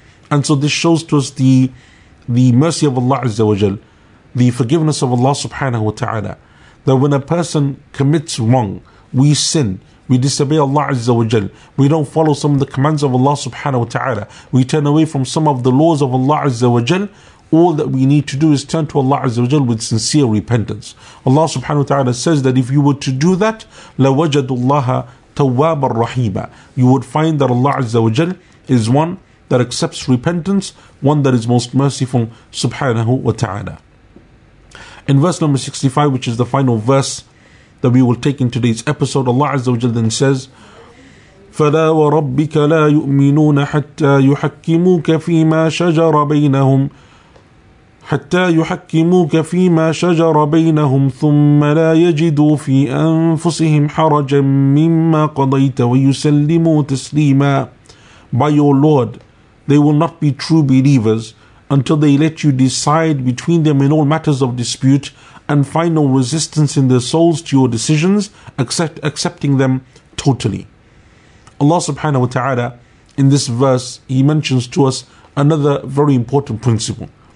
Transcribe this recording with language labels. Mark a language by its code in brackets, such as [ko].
[en] And so this shows to us the mercy of Allah Azza wa Jal, the forgiveness of Allah subhanahu wa ta'ala, that when a person commits wrong, we sin, we disobey Allah Azza wa Jal, we don't follow some of the commands of Allah subhanahu wa ta'ala, we turn away from some of the laws of Allah Azza wa Jal, all that we need to do is turn to Allah Azza wa Jal with sincere repentance. Allah subhanahu wa ta'ala says that if you were to do that, [ar] لَوَجَدُ اللَّهَ تَوَّابًا رَحِيمًا. [en] You would find that Allah Azza wa Jal is one that accepts repentance, one that is most merciful, subhanahu wa ta'ala. In verse number 65, which is the final verse that we will take in today's episode, Allah Azza wa Jalla then says, [ar] فَلَا وَرَبِّكَ لَا يُؤْمِنُونَ حَتَّى يُحَكِّمُوكَ فِي مَا شَجَرَ بَيْنَهُمْ حَتَّى يُحَكِّمُوكَ فِي مَا شَجَرَ بَيْنَهُمْ ثُمَّ لَا يَجِدُوا فِي أَنفُسِهِمْ حَرَجًا مِّمَّا قَضَيْتَ وَيُسَلِّمُوا تَسْلِيمًا. [en] By your Lord, they will not be true believers until they let you decide between them in all matters of dispute and find no resistance in their souls to your decisions, accepting them totally. Allah subhanahu wa ta'ala, in this verse, he mentions to us another very important principle.